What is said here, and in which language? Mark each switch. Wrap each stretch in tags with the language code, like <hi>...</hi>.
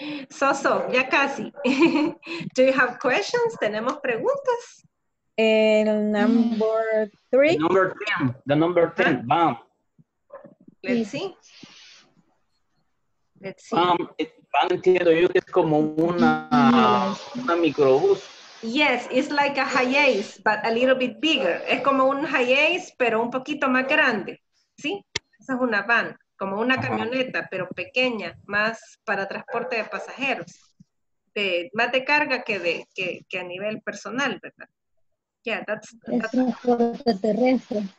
<en>So-so,</en> <es>ya casi.</es> <en>Do you have questions?</en> <es>¿Tenemos preguntas?</es> <en>El number three. The number 10. Bam. Let's see.</en> <es>Bam, entiendo yo que es como una microbús.</es> <en>Yes, it's like a hiace, but a little bit bigger.</en> <es>Es como un hiace, pero un poquito más grande. ¿Sí? Esa es una van, como una camioneta, pero pequeña, más para transporte de pasajeros. Más de carga que a nivel personal, ¿verdad?</es> <en>Yeah, that's</en> <es>transporte terrestre.</es>